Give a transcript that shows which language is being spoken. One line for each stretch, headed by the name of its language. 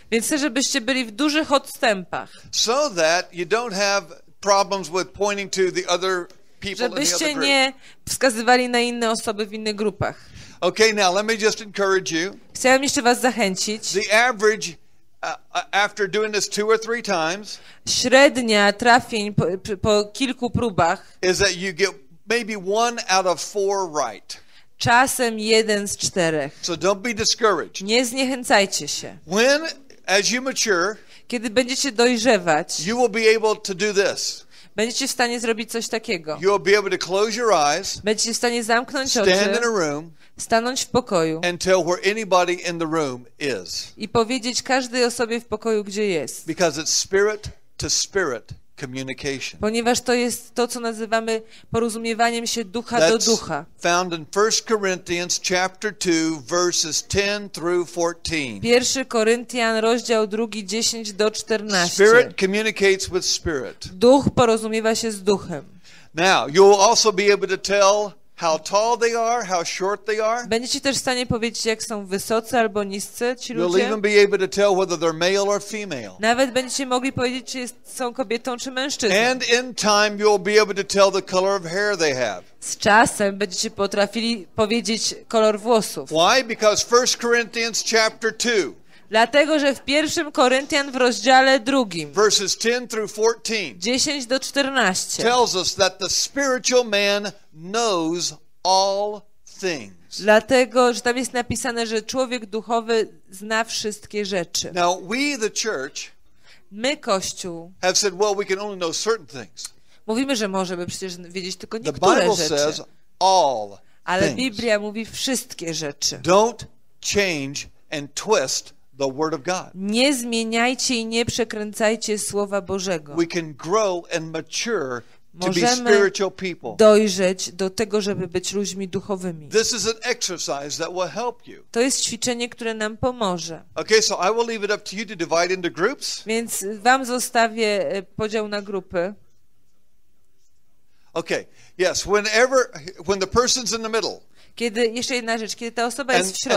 Polish: Więc chcę, żebyście byli w dużych odstępach.
English: So that you don't have problems with pointing to the other people.
Polish: Żebyście
English: in the
Polish: nie
English: group.
Polish: Wskazywali na inne osoby w innych grupach.
English: Okay, now let me just encourage you.
Polish: Chciałem jeszcze was zachęcić.
English: The average after doing this two or three times.
Polish: Średnia trafień po kilku próbach.
English: Is that you get maybe one out of four right.
Polish: Czasem jeden z czterech.
English: So don't be discouraged.
Polish: Nie zniechęcajcie się.
English: When, as you mature,
Polish: kiedy będziecie dojrzewać,
English: you will be able to do this.
Polish: Będziecie w stanie zrobić coś takiego.
English: You will be able to close your eyes,
Polish: będziecie w stanie zamknąć
English: stand
Polish: oczy,
English: in a room,
Polish: stanąć w pokoju
English: and tell where anybody in the room is.
Polish: I powiedzieć każdej osobie w pokoju, gdzie jest.
English: Because it's spirit to spirit. Communication.
Polish: Ponieważ to jest to, co nazywamy porozumiewaniem się ducha do ducha.
English: Found in 1 Corinthians chapter 2 verses 10 through 14.
Polish: 1 Koryntian rozdział 2, 10 do 14.
English: Spirit communicates with spirit.
Polish: Duch porozumiewa się z duchem.
English: Now, you'll also be able to tell how tall they are, how short they are.
Polish: Będziecie też w stanie powiedzieć, jak są wysocy albo niscy ci ludzie.
English: You'll even be able to tell whether they're male or female.
Polish: Nawet będziecie mogli powiedzieć, czy są kobietą, czy mężczyzną.
English: And in time you'll be able to tell the color of hair they have.
Polish: Z czasem będziecie potrafili powiedzieć kolor włosów.
English: Why? Because 1 Corinthians chapter 2.
Polish: Dlatego, że w 1 Koryntian w rozdziale 2,
English: verses 10 through 14,
Polish: 10 do 14,
English: tells us that the spiritual man knows all things.
Polish: Dlatego, że tam jest napisane, że człowiek duchowy zna wszystkie rzeczy.
English: Now we, the church,
Polish: my, Kościół,
English: have said, well, we can only know certain things.
Polish: Mówimy, że możemy przecież wiedzieć tylko niektóre rzeczy.
English: The Bible says all things.
Polish: Ale Biblia mówi wszystkie rzeczy.
English: Don't change and twist the word of God.
Polish: Nie zmieniajcie i nie przekręcajcie słowa Bożego.
English: We can grow and mature to be spiritual people.
Polish: Możemy dojrzeć do tego, żeby być ludźmi duchowymi.
English: This is an exercise that will help you.
Polish: To jest ćwiczenie, które nam pomoże.
English: Okay, so I will leave it up to you to divide into groups.
Polish: Więc wam zostawię podział na grupy.
English: Okay. Yes, whenever when the person's in the middle.
Polish: Kiedy jeszcze jedna rzecz, kiedy ta osoba jest w środku.